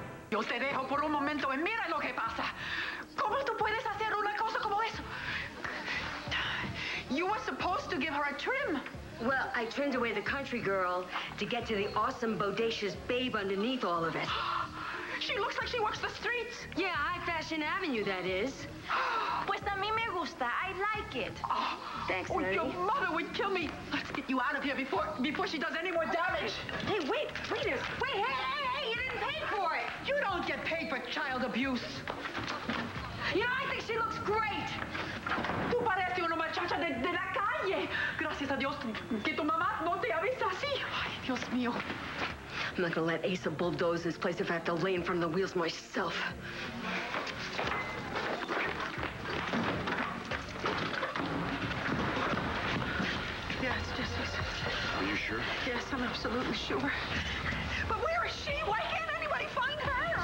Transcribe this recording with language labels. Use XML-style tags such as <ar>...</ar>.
<es>Yo te dejo por un momento y mira lo que pasa. ¿Cómo tú puedes hacer una cosa como eso?</es> <en>You were supposed to give her a trim. Well, I turned away the country girl to get to the awesome, bodacious babe underneath all of it. She looks like she walks the streets. Yeah, high fashion avenue, that is.</en> <es>Pues a mí me gusta.</es> <en>I like it.</en> <es>Oh.</es> <en>Thanks, Nerdy. Oh, your mother would kill me. Let's get you out of here before she does any more damage. Hey, wait. Wait a minute. Wait, hey, you didn't pay for it. You don't get paid for child abuse. You know, I think she looks great.</en> <es>Tú pareces una muchacha de la calle. Gracias a Dios que tu mamá no te avisa así. Ay, Dios mío.</es> <en>I'm not going to let Asa bulldoze this place if I have to lay in front of the wheels myself. Yes, Jesus. Are you sure? Yes, I'm absolutely sure. But where is she? Why can't anybody find her?</en>